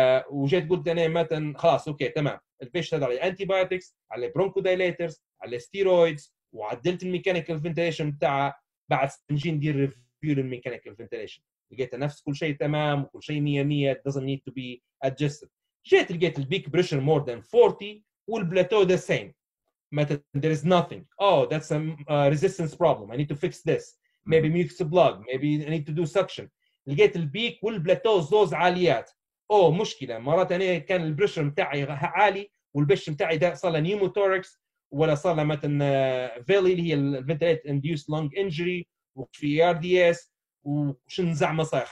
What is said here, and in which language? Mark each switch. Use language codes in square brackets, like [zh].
[ar] وجيت قلت انا مثلا خلاص اوكي تمام، البيش هذا على الانتيبيوتكس، على البرونكودايليترز، على الستيرويدز، وعدلت الميكانيكال فنتليشن بتاعها، بعد سنجين دي ريفيو للميكانيكال فنتليشن لقيت نفس كل شيء تمام وكل شيء 100 100، [en] doesn't need to be adjusted. [ar] جيت لقيت البيك بريشر مور ذان 40 والبلاتو ذا سيم، [en] there is nothing. Oh, that's a resistance problem. I need to fix this. Maybe mucus plug. Maybe I need to do suction. [ar] لقيت البيك والبلاتو زوز عاليات. Oh, مشكلة. مرات أنا كان البريشر بتاعي عالي والبش بتاعي ده صار له نيوموتوركس ولا صار له مثلا فيلي اللي هي الفنتليت انديوس لونج انجري وفي ار دي اس وش نزعم صاير.